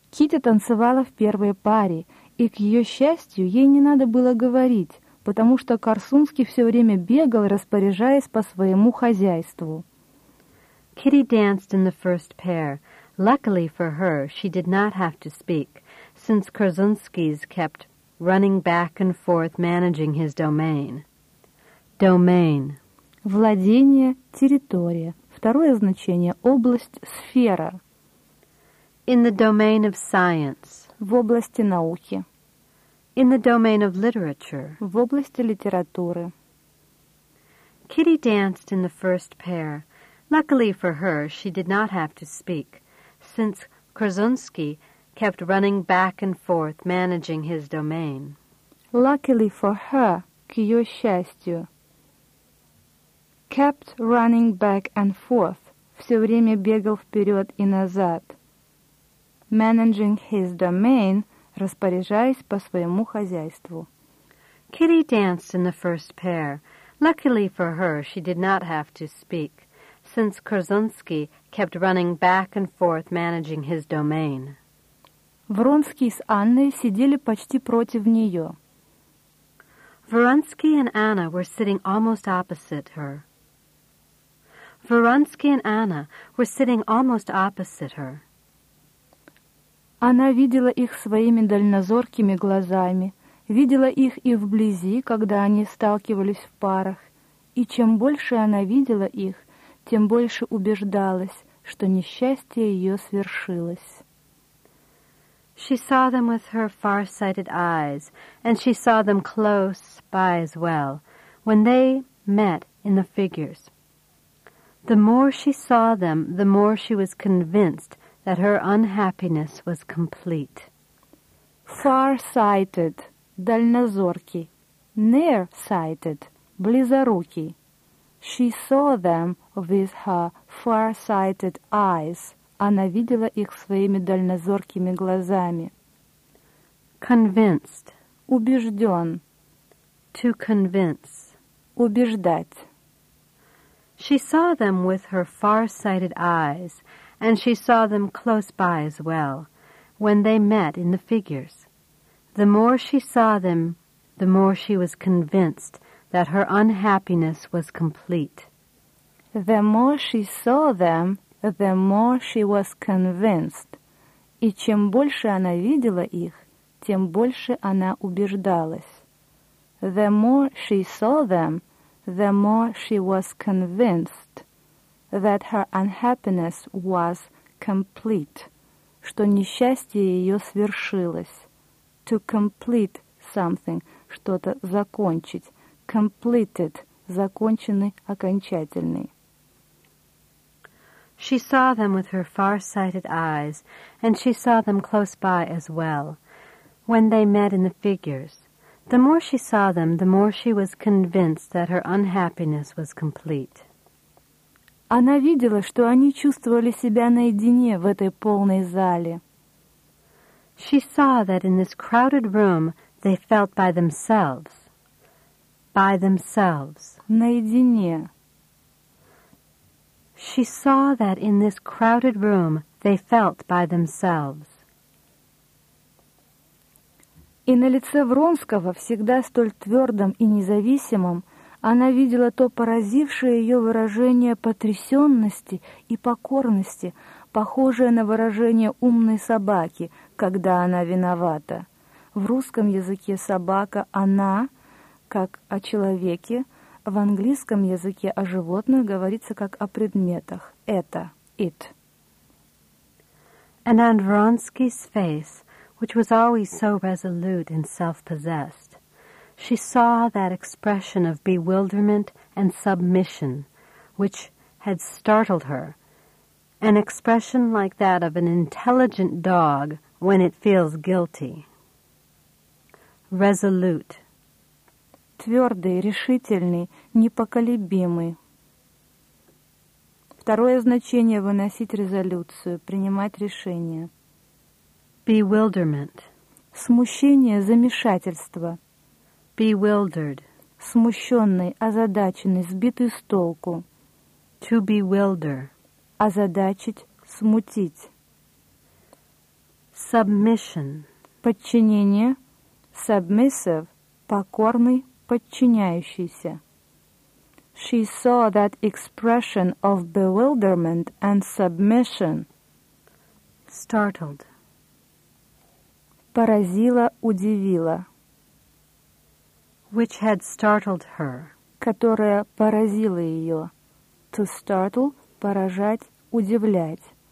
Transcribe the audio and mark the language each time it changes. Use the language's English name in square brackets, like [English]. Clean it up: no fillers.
[Russian] Китти танцевала в первой паре, и, к ее счастью, ей не надо было говорить, потому что Корсунский все время бегал, распоряжаясь по своему хозяйству. [English] Kitty danced in the first pair. Luckily for her, she did not have to speak, since Korsunsky's kept running back and forth, managing his domain. Domain. [Russian] Владение, территория. Второе значение – область, сфера. [English] In the domain of science. [Russian] В области науки. [English] In the domain of literature. [Russian] В области литературы. [English] Kitty danced in the first pair. Luckily for her, she did not have to speak, since Korsunsky kept running back and forth, managing his domain. Luckily for her, [Russian] к ее счастью, [English] kept running back and forth, [Russian] все время бегал вперед и назад, [English] managing his domain, [Russian] распоряжаясь по своему хозяйству. [English] Kitty danced in the first pair. Luckily for her, she did not have to speak, since Korsunsky kept running back and forth, managing his domain. [Russian] Вронский с Анной сидели почти против нее. [English] Вронский and Anna were sitting almost opposite her. Вронский and Anna were sitting almost opposite her. [Russian] Она видела их своими дальнозоркими глазами, видела их и вблизи, когда они сталкивались в парах. И чем больше она видела их, тем больше убеждалась, что несчастье ее свершилось. [English] She saw them with her far-sighted eyes, and she saw them close by as well, when they met in the figures. The more she saw them, the more she was convinced that her unhappiness was complete. Far-sighted, дальнозоркий, near-sighted, близорукий. She saw them with her far-sighted eyes. [Russian] Она видела их своими дальнозоркими глазами. [English] Convinced. [Russian] Убежден. [English] To convince. [Russian] Убеждать. [English] She saw them with her far-sighted eyes, and she saw them close by as well, when they met in the figures. The more she saw them, the more she was convinced that her unhappiness was complete. The more she saw them, the more she was convinced. [Russian] И чем больше она видела их, тем больше она убеждалась. [English] The more she saw them, the more she was convinced that her unhappiness was complete. [Russian] Что несчастье ее свершилось. [English] To complete something, [Russian] что-то закончить. Completed, законченный, окончательный. [English] She saw them with her far-sighted eyes, and she saw them close by as well, when they met in the figures. The more she saw them, the more she was convinced that her unhappiness was complete. [Russian] Она видела, что они чувствовали себя наедине в этой полной зале. [English] She saw that in this crowded room they felt by themselves. By themselves. [Russian] Наедине. [English] She saw that in this crowded room they felt by themselves. [Russian] И на лице Вронского, всегда столь твердым и независимым, она видела то поразившее ее выражение потрясенности и покорности, похожее на выражение умной собаки, когда она виновата. В русском языке собака – она, как о человеке, в английском языке о животных говорится как о предметах. Это – it. [English] And on Vronsky's face, which was always so resolute and self-possessed, she saw that expression of bewilderment and submission, which had startled her, an expression like that of an intelligent dog when it feels guilty. Resolute. [Russian] Твердый, решительный, непоколебимый. Второе значение – выносить резолюцию, принимать решение. [English] Bewilderment. [Russian] Смущение, замешательство. [English] Bewildered. [Russian] Смущенный, озадаченный, сбитый с толку. [English] To bewilder. [Russian] Озадачить, смутить. [English] Submission. [Russian] Подчинение. Submissive. Покорный, подчиняющийся. [English] She saw that expression of bewilderment and submission. Startled. [Russian] Поразила, удивила. [English] Which had startled her. [Russian] Которая поразила ее. [English] To startle, [Russian] поражать, удивлять.